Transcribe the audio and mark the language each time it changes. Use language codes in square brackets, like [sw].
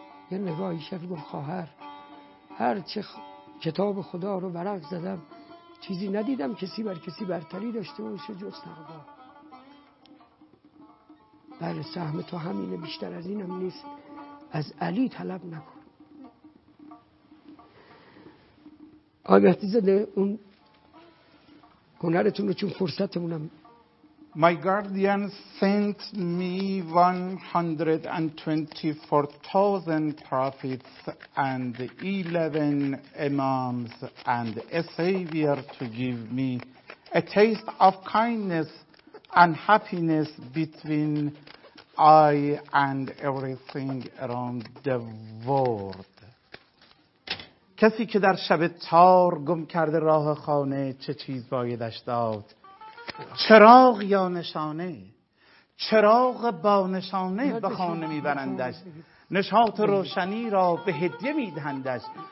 [fa] یه نگاهی شد گفت خواهر، هر چه کتاب خدا رو ورق زدم چیزی ندیدم کسی بر کسی برتری داشته باشه جز تقوا. بله سهم تو همینه، بیشتر از اینم نیست، از علی طلب نکن. آگهتی زده اون هنرتون رو چون فرصتمونم. [en] My guardian sent me 124,000 prophets and 11 imams and a savior to give me a taste of kindness and happiness between I and everything around the world. [fa] کسی که در شب تار گم کرده راه خانه چه چیز بایدش داد؟ چراغ یا نشانه؟ چراغ با نشانه به خانه میبرندش، نشاط روشنی را به هدیه میدهندش.